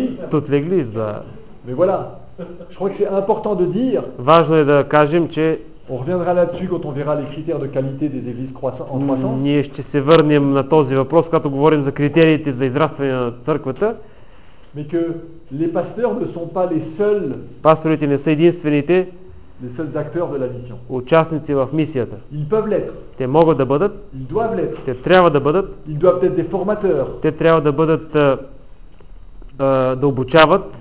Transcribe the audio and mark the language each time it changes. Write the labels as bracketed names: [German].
[French] toute l'église, да. Mais voilà. Je crois que c'est important de dire. [Bulgarian] Важно е да кажем, че [French] on reviendra là-dessus quand on verra les critères de qualité des églises croissantes. [Bulgarian] Ние ще се върнем на този въпрос, когато говорим за критериите за израстване на църквата. [French] Mais que les pasteurs ne sont pas les seuls. [Bulgarian] Пасторите не са единствените. [French] Les seuls acteurs de la mission. [Bulgarian] Участници в мисията. [French] Ils peuvent l'être. [Bulgarian] Те могат да бъдат. [French] Ils doivent l'être. [Bulgarian] Те трябва да бъдат. [French] Ils doivent être des formateurs. [Bulgarian] Те трябва да бъдат да обучават.